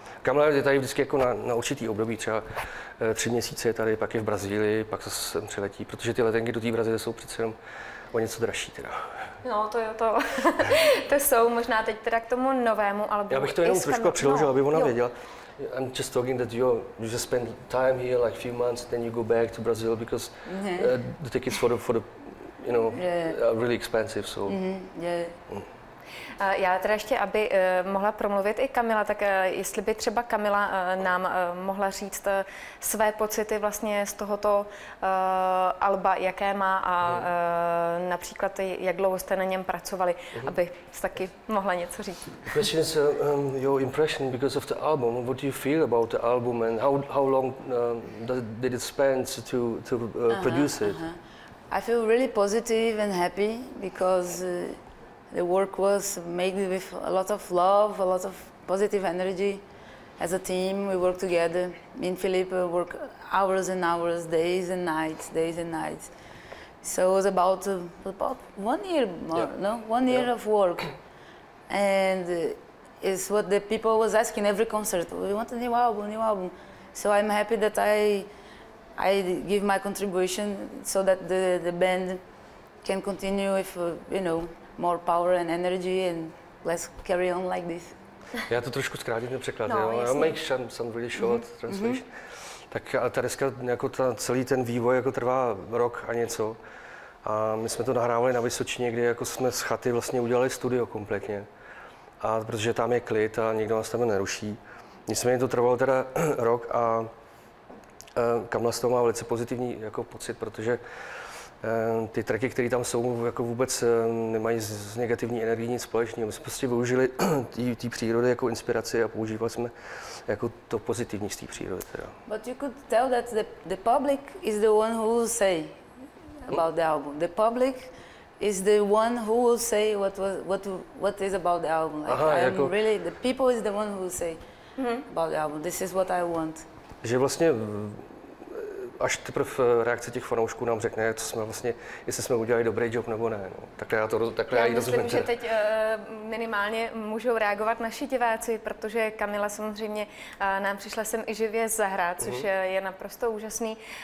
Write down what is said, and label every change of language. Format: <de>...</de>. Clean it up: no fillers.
<cs>Kamala je tady vždycky jako na určitý období, třeba 3 měsíce je tady, pak je v Brazílii, pak se sem přiletí, protože ty letenky do té Brazílie jsou přece jenom o něco dražší teda. No to je to. To jsou možná teď teda k tomu novému albumu. Já bych to jenom trošku přiložil, aby ona věděla.</cs> <en>I'm just talking that you just spend time here like few months, then you go back to Brazil because the tickets for the you know, are really expensive, so.</en> <cs>Já teda ještě, aby mohla promluvit i Kamila, tak jestli by třeba Kamila nám mohla říct své pocity vlastně z tohoto alba, jaké má a například jak dlouho jste na něm pracovali, aby taky mohla něco říct.</cs> <en>The question is your impression because of the album. What do you feel about the album and how long did it spend to produce it? I feel really positive and happy because the work was made with a lot of love, a lot of positive energy. As a team, we work together. Me and Philippe work hours and hours, days and nights. So it was about 1 year more, yeah. No? 1 year of work. And it's what the people was asking every concert. We want a new album. So I'm happy that I give my contribution so that the band can continue if, you know, more power and energy and let's carry on like this.</en> <cs>Já to trošku zkrátím ten překlad, no, jo.</cs> <en>I'll make some really short translation.</en> <cs>Tak ta deska, jako ta, celý ten vývoj jako trvá rok a něco. A my jsme to nahrávali na Vysočině, kde jako jsme z chaty vlastně udělali studio kompletně. A protože tam je klid a nikdo nás tam neruší. Nicméně to trvalo teda rok a Kamla z toho má velice pozitivní jako pocit, protože ty tracky, které tam jsou, jako vůbec nemají s negativní energií nic společného. My jsme prostě využili té přírody jako inspiraci a používali jsme jako to pozitivní z té přírody. Teda.</cs> <en>But you could tell that the public is the one who will say about the album. The public is the one who will say what is about the album. Like, aha, I'm jako really the people is the one who will say about the album. This is what I want.</en> <cs>Že vlastně až teprve reakce těch fanoušků nám řekne, co jsme vlastně, jestli jsme udělali dobrý job nebo ne. No. Takhle já to takhle já myslím, rozumím, že teď minimálně můžou reagovat naši diváci, protože Kamila samozřejmě nám přišla sem i živě zahrát, což je naprosto úžasný.</cs>